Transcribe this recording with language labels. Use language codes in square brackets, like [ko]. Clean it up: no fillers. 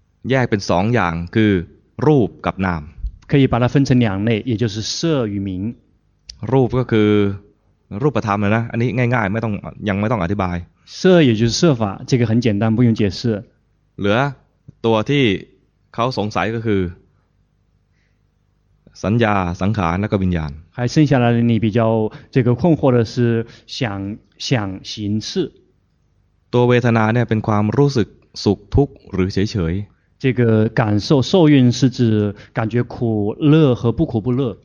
[th] แยกเป็นสองอย่างคือรูปกับนาม [zh] 可以把它分成两类，也就是色与名。 [th] รูปก็คือรูปธรรมนะอันนี้ง่ายๆไม่ต้องยังไม่ต้องอธิบาย [zh] 色也就是色法这个很简单不用解释 [th] เหลือตัวที่เขาสงสัยก็คือสัญญาสังขารและก็วิญญาณ [zh] 还剩下来你比较这个困惑的是想行识 [th] ตัวเวทนาเนี่ยเป็นความรู้สึกสุขทุกข์หรือเฉยๆ [zh] 这个感受受蕴是指感觉苦乐和不苦不乐。